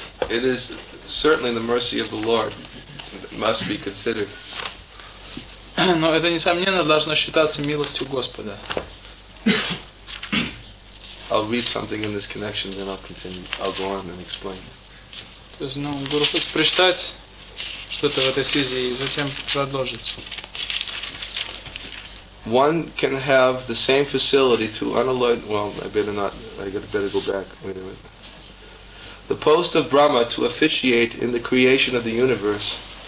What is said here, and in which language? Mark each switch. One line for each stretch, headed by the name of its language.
English: It is certainly the mercy of the Lord that must be considered.
Russian: Но это, несомненно, должно считаться милостью Господа.
English: I'll read something in this connection, then I'll continue. I'll go on and explain.
Russian: То есть, Гуру хочет прочитать что-то в этой связи и затем продолжить.
English: One can have the same facility through unalloyed... Well, I better go back. Wait a minute. The post of Brahma to officiate in the creation of the universe.